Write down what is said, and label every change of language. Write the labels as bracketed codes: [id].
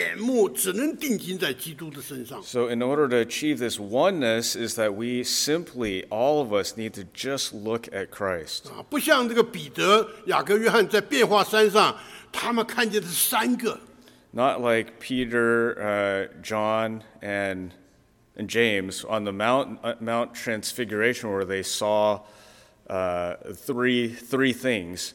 [zh] 我们所有弟兄姊妹的眼目只能定睛在基督的身上。 [en] So in order to achieve this oneness is that we simply, all of us, need to just look at Christ. [zh] 不像这个彼得、雅各、约翰在变化山上，他们看见的是三个。 [en] Not like Peter, John, and James on the Mount Transfiguration where they saw three things.